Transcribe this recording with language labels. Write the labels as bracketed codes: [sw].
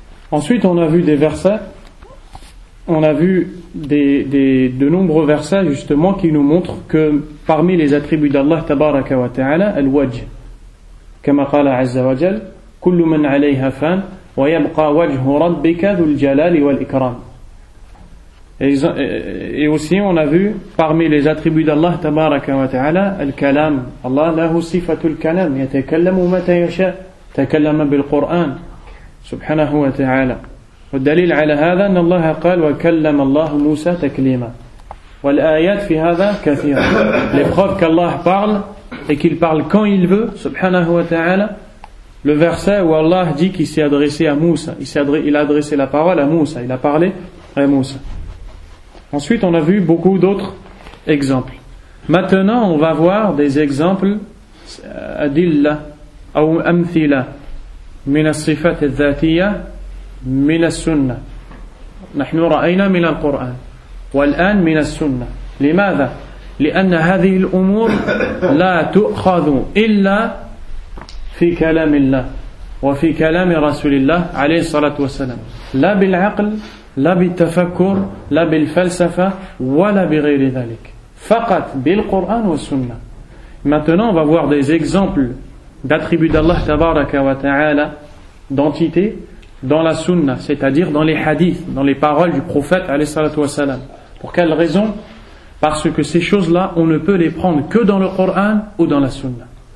[fr] Ensuite on a vu des versets, on a vu de nombreux versets justement qui nous montrent que parmi les attributs d'Allah [ar] tabaraka wa ta'ala al-wajh kama qala azza wa jal كل من عليها فان ويبقى وجه ربك ذو الجلال والإكرام. [fr] Et aussi on a vu parmi les attributs d'Allah [ar] تبارك وتعالى [fr] الكلام. [ar] الله له صفة الكلام يتكلم متى يشاء تكلم بالقرآن سبحانه وتعالى. والدليل على هذا أن الله قال وكلم الله موسى تكليما. والآيات في هذا كثيرة. [fr] Les preuves qu'Allah parle et qu'il parle quand il veut [ar] سبحانه وتعالى. [fr] Le verset où Allah dit qu'il s'est adressé à Moussa, il a adressé la parole à Moussa, il a parlé à Moussa. Ensuite, on a vu beaucoup d'autres exemples. Maintenant, on va voir des exemples adillah ou amthila [ar] من الصفات الذاتية من السنة. نحن رأينا من القرآن والآن من السنة. لماذا؟ لأن هذه الأمور لا تؤخذ إلا في كلام الله وفي كلام رسول الله عليه الصلاة والسلام، لا بالعقل، لا بالتفكر، لا بالفلسفة، ولا بغير ذلك، فقط بالقرآن والسنة. [fr] Maintenant, on va voir des exemples d'attributs d'Allah [ar] tabaraka wa ta'ala, [fr] d'entités, dans la sunna, c'est-à-dire dans les hadiths, dans les paroles du prophète [ar] alayhi salatu wa salam. [fr] Pour quelle raison? Parce que ces choses-là, on ne peut les prendre que dans le Coran ou dans la sunna.